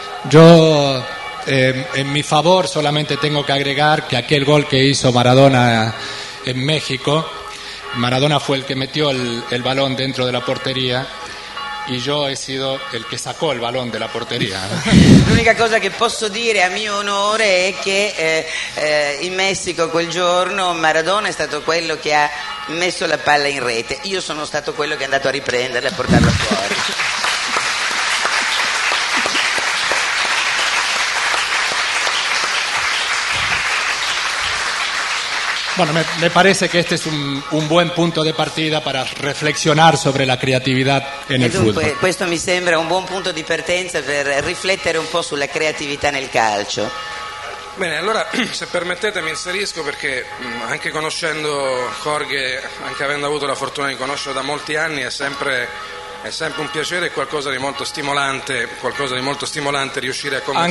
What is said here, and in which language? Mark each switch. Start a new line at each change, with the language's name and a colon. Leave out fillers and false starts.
Italian: Io in mio favore solamente
Spanish: tengo
Italian: che
Spanish: aggregar
Italian: che
Spanish: aquel gol
Italian: che
Spanish: hizo
Italian: Maradona in México.
Spanish: Maradona fue el que metió el balón dentro de la portería y yo he sido el que sacó el balón de la portería.
Italian: L'unica cosa che posso dire a mio onore è che in Messico quel giorno Maradona è stato quello che ha messo la palla in rete. Io sono stato quello che è andato a riprenderla e portarla fuori.
Spanish: Bueno, me parece que este es un buen punto de partida para reflexionar sobre la creatividad en el fútbol.
Italian: Questo mi sembra un buon punto di partenza per riflettere un po' sulla creatività nel calcio. Bene, allora se permettete mi inserisco perché anche conoscendo Jorge, anche avendo avuto la fortuna di conoscerlo da molti anni, è sempre un piacere e qualcosa di molto stimolante riuscire a conversare.